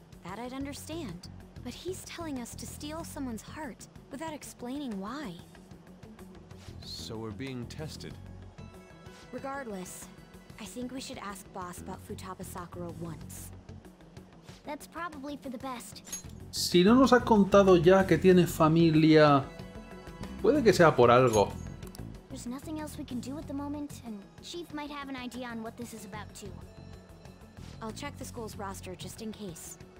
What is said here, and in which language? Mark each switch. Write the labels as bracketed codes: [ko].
[en] That I'd understand. But he's telling us to steal someone's heart without explaining why. So we're being tested. Regardless, I think we should ask Boss about Futaba Sakura once. That's probably for the best. [es] Si no nos ha contado ya que tiene familia, puede que sea por algo. [en] There's nothing else we can do at the moment, and Chief might have an idea on what this is about too. I'll check the school's roster just in case.